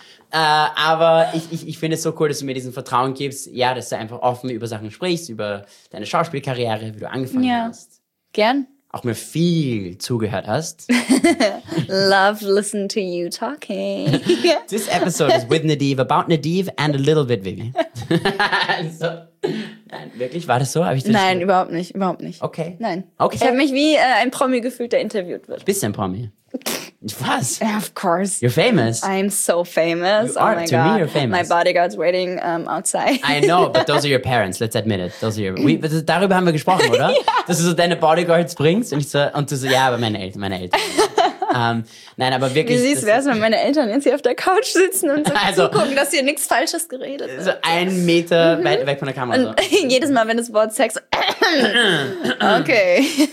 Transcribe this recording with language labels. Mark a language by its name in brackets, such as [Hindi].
[German] Aber ich finde es so cool, dass du mir diesen Vertrauen gibst, dass du einfach offen über Sachen sprichst, über deine Schauspielkarriere, wie du angefangen hast. Gern. Auch mir viel zugehört hast. [English] Love listen to you talking. This episode is with Nadeve, about Nadeve and a little bit Vivi. [German] So. Nein, wirklich? War das so? Habe ich das Nein, überhaupt nicht. Okay. Nein. Okay. Ich habe mich wie ein Promi gefühlt, der interviewt wird. Bist du ein Promi? Was? [English] Of course. You're famous. I'm so famous. You are. Oh my to God. Me, you're famous. My bodyguard's waiting outside. I know, but those are your parents. Let's admit it. Those are your. [German] Darüber haben wir gesprochen, oder? Dass du so deine Bodyguards bringst und du so, aber meine Eltern. Nein, aber wirklich. Wie süß wäre es, wenn meine Eltern jetzt hier auf der Couch sitzen und so gucken, dass hier nichts Falsches geredet wird. So 1 Meter weit weg von der Kamera. Und so. Jedes Mal, wenn das Wort Sex. Okay.